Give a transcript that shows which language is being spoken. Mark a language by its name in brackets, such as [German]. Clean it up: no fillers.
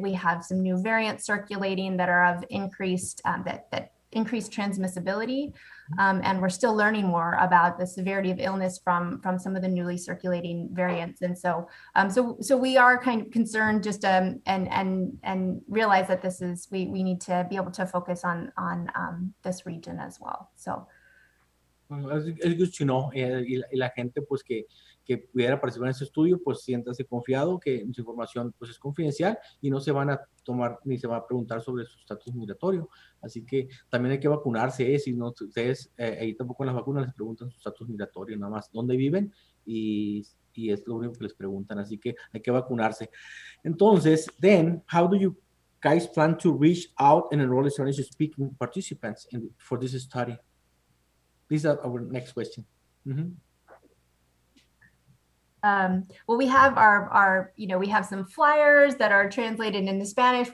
[English] We have some new variants circulating that are of increased that increased transmissibility, and we're still learning more about the severity of illness from some of the newly circulating variants. And so so we are kind of concerned, just and realize that this is we need to be able to focus on this region as well. So [Spanish] es [English] good to know, [Spanish] y la gente pues que pudiera participar en ese estudio pues siéntase confiado que su información pues es confidencial y no se van a tomar ni se va a preguntar sobre su estatus migratorio. Así que también hay que vacunarse, si no ustedes ahí tampoco en las vacunas les preguntan su estatus migratorio, nada más dónde viven y es lo único que les preguntan. Así que hay que vacunarse. [English] Entonces, then how do you guys plan to reach out and enroll Spanish speaking participants in for this study? This is our next question. Well, we have our we have some flyers that are translated into Spanish.